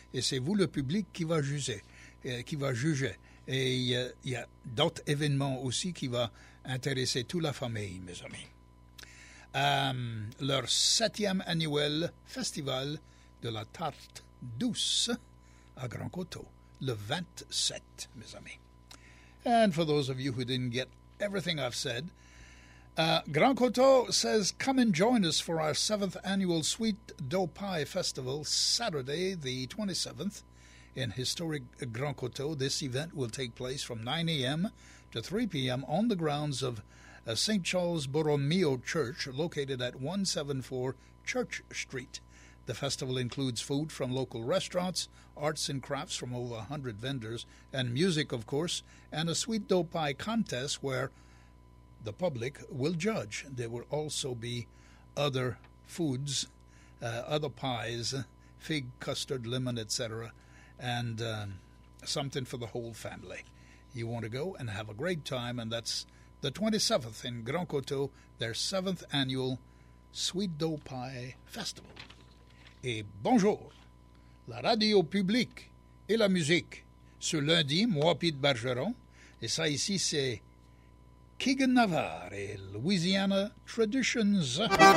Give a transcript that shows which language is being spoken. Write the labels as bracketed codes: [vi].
[fr] Et c'est vous, le public, qui va juger. Et il y a d'autres événements aussi qui vont intéresser toute la famille, mes amis. Leur 7e annuel festival de la tarte douce à Grand Coteau, le 27, mes amis. [en] And for those of you who didn't get everything I've said, Grand Coteau says, come and join us for our 7th annual Sweet Dough Pie Festival, Saturday the 27th. In historic Grand Coteau, this event will take place from 9 a.m. to 3 p.m. on the grounds of St. Charles Borromeo Church, located at 174 Church Street. The festival includes food from local restaurants, arts and crafts from over 100 vendors, and music, of course, and a sweet dough pie contest where the public will judge. There will also be other foods, other pies, fig, custard, lemon, etc., and something for the whole family. You want to go and have a great time, and that's the 27th in Grand Coteau, their 7th annual Sweet Dough Pie Festival. [fr] Et bonjour, la radio publique et la musique. Ce lundi, moi, Pete Bergeron, et ça ici, c'est Keegan Navarre et Louisiana Traditions.